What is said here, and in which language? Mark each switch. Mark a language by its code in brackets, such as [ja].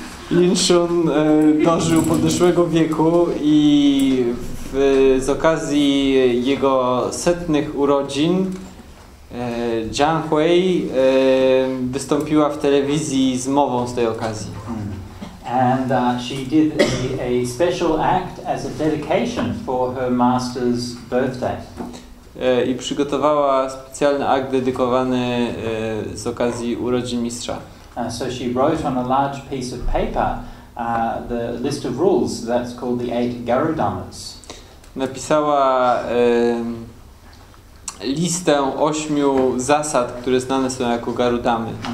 [pl] Yin Shun dożył podeszłego wieku i z okazji jego setnych urodzin Zhang Hui wystąpiła w telewizji z mową z tej okazji. [en] And she did a special act as a dedication for her master's birthday. [pl] I przygotowała specjalny akt dedykowany z okazji urodzin mistrza. [en] So she wrote on a large piece of paper the list of rules that's called the 8 Garudamas. [pl] Napisała listę 8 zasad, które znane są jako Garudamy.